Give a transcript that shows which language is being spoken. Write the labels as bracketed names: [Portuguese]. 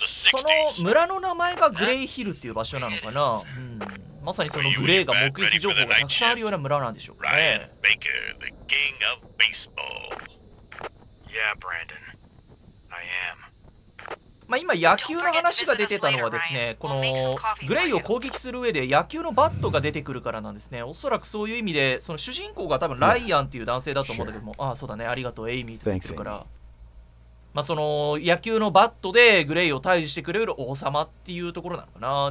[Japanese] その村の名前がグレイヒルっていう場所なのかな。まさにそのグレイが目撃情報がたくさんあるような村なんでしょうかね。 [English] Ryan Baker, the king of baseball. Yeah, Brandon. I am. [Japanese] まあ、今野球の話が出てたのはですね、このグレイを攻撃する上で野球のバットが出てくるからなんですね。おそらくそういう意味で、その主人公が多分ライアンっていう男性だと思うんだけども、ああ、そうだね、ありがとう、エイミーって言ってるから。まあ、その野球のバットでグレイを退治してくれる王様っていうところなのかな。